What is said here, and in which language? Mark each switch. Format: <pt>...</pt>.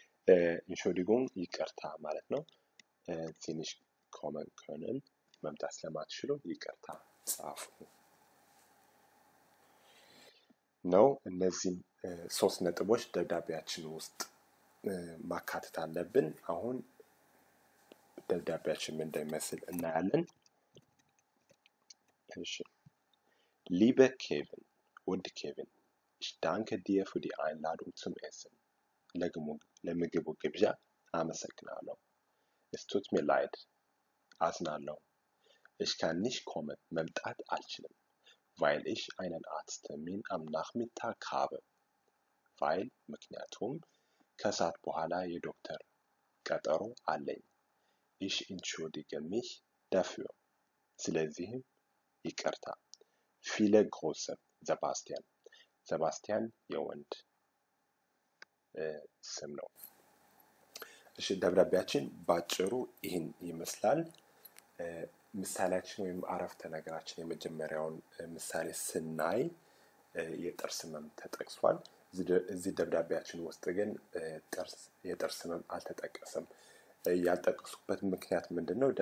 <am>Entschuldigung, ይቅርታ ማለት ነው።</am> <de>Sie nicht kommen können,</de> <am>መምጣት ስለማትችሉ ይቅርታ ጻፉ ነው። እነዚህ ሶስት ነጥቦች ደብዳቤያችን ውስጥ ማካተት አለብን። አሁን ደብዳቤያችን ምን እንደሚመስል እናያለን። እሺ</am> <de>Lieber Kevin, und Kevin, ich danke dir für die Einladung zum Essen.</de> <am>ለምግቡ ግብዣ አመሰግናለሁ።</am> <de>Es tut mir leid. አዝናለሁ። Ich kann nicht kommen,</de> <am>መምጣት አልችልም.</am> <de>Weil ich einen Arzttermin am Nachmittag habe.</de> <am>Weil, ምክንያቱም, ከሰዓት በኋላ የዶክተር ቀጠሮ አለኝ።</am> <de>Ich entschuldige mich dafür.</de> <am>ስለዚህም ይቅርታ።</am> <de>Viele Grüße, Sebastian.</de> <am>Sebastian, የወንድ ስም ነው። እሺ ደብዳቤያችን ባጭሩ ይህን ይመስላል። ምሳሌያችን ወይም አረፍተ ነገራችን የመጀመሪያውን ምሳሌ ስናይ የጥርስ ህመም ተጠቅሷል። እዚህ ደብዳቤያችን ውስጥ ግን የጥርስ ህመም አልተጠቀሰም። ያልጠቀሱበት ምክንያት ምንድን ነው?</am>